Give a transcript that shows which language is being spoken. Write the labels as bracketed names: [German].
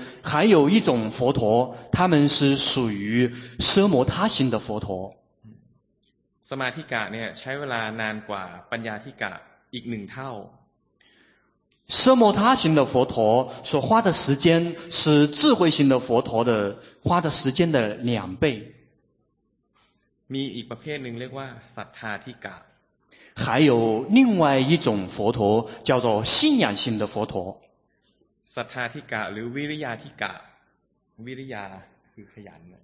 [Chinese] 还有一种佛陀，他们是属于奢摩他行的佛陀。 [Thai] สมาธิกะเนี่ยใช้เวลานานกว่าปัญญาธิกะอีกหนึ่งเท่า。 [Chinese] 奢摩他行的佛陀所花的时间是智慧型的佛陀的花的时间的两倍。 [Thai] มีอีกประเภทหนึ่งเรียกว่าศรัทธาธิกะ。 [Chinese] 还有另外一种佛陀叫做信仰型的佛陀。 [Thai] ศรัทธาธิกะหรือวิริยาธิกะวิริยาคือขยัน